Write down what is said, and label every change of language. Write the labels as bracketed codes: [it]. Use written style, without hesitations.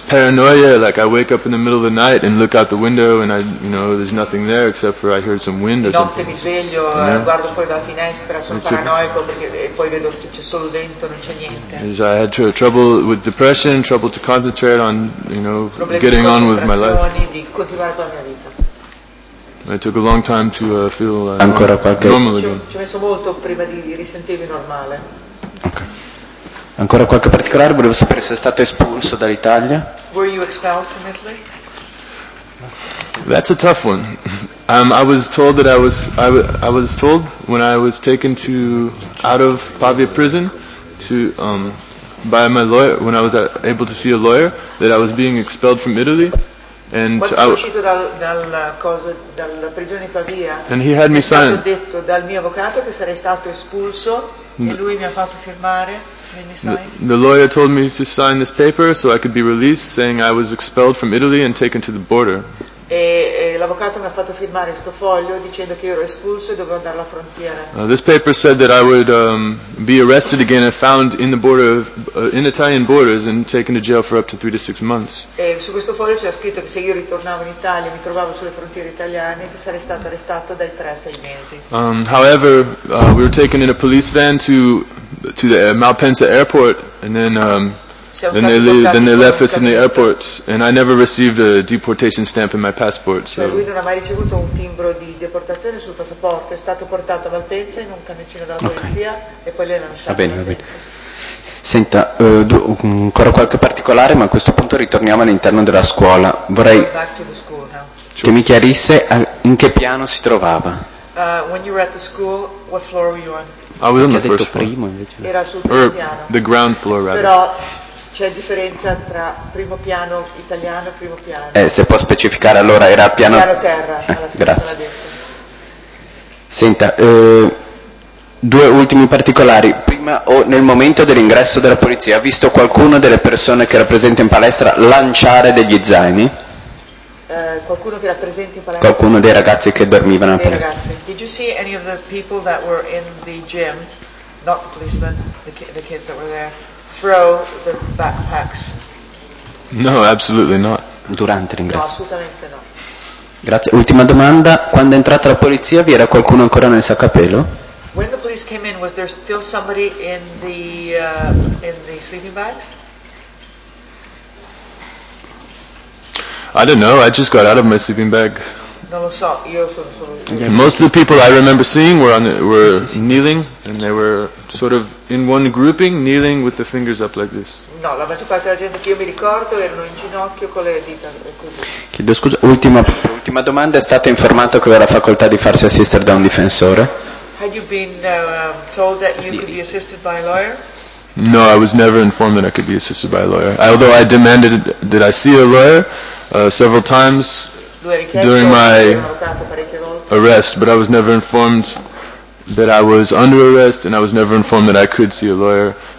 [en] paranoia, like I wake up in the middle of the night and look out the window and I, you know, there's nothing there except for I hear some wind or something. [it] Mi sveglio, guardo fuori dalla finestra, sono paranoico perché poi vedo che c'è solo vento, non c'è niente. [en] I had trouble with depression, trouble to concentrate on, you know, getting on with my life. It took a long time to feel normal again. [it] Ci ho messo molto prima di risentirmi normale. Okay. Ancora qualche particolare? Volevo sapere se è stato espulso dall'Italia. [en] Were you expelled from Italy? That's a tough one. I was told when I was taken to out of Pavia prison to by my lawyer, when I was able to see a lawyer, that I was being expelled from Italy. And And he had me sign. [it] Detto dal mio avvocato che sarei stato espulso e lui mi ha fatto firmare. [en] The lawyer told me to sign this paper so I could be released, saying I was expelled from Italy and taken to the border. [it] E l'avvocato mi ha fatto firmare questo foglio dicendo che io ero espulso e dovevo andare alla frontiera. [en] This paper said that I would be arrested again if found in the border in Italian borders and taken to jail for up to 3 to 6 months. [it] E su questo foglio c'era scritto che se io ritornavo in Italia mi trovavo sulle frontiere italiane che sarei stato arrestato dai 3 a 6 mesi. [en] However, we were taken in a police van to the Malpensa airport and then. Then they left us in the airport, and I never received a deportation stamp in my passport. So. [it] Lui non ha mai ricevuto un timbro di deportazione sul passaporto. È stato portato a Malpensa in un camioncino della polizia, e poi l'hanno lasciato. Va bene. Senta, ancora qualche particolare, ma a questo punto ritorniamo all'interno della scuola. Vorrei che mi chiarisse in che piano si trovava. [en] When you were at the school, what floor were you on? I was on the first floor. [it] Primo, era sul primo piano. The ground floor, rather. C'è differenza tra primo piano italiano e primo piano. Se può specificare, allora era piano terra. Grazie. Senta, due ultimi particolari. Prima o nel momento dell'ingresso della polizia, ha visto qualcuno delle persone che era presente in palestra lanciare degli zaini? Qualcuno che era presente in palestra? Qualcuno dei ragazzi che dormivano in palestra. [en] Did you see any of the people that were in the gym, not the policemen, the kids that were there? Throw the backpacks. No, absolutely not. [it] Durante l'ingresso. No, assolutamente no. Grazie. Ultima domanda. Quando è entrata la polizia, vi era qualcuno ancora nel sacco a pelo? [en] When the police came in, was there still somebody in the sleeping bags? I don't know. I just got out of my sleeping bag. [it] Non lo so. Io sono solo. [en] Most of the people I remember seeing were kneeling, and they were sort of in one grouping, kneeling with the fingers up like this. [it] No, la maggior parte della gente che io mi ricordo erano in ginocchio con le dita così. Chiedo scusa. Ultima domanda. È stata informata che aveva la facoltà di farsi assistere da un difensore? [en] Had you been told that you could be assisted by a lawyer? No, I was never informed that I could be assisted by a lawyer. Although I demanded that I see a lawyer several times during my arrest, but I was never informed that I was under arrest, and I was never informed that I could see a lawyer.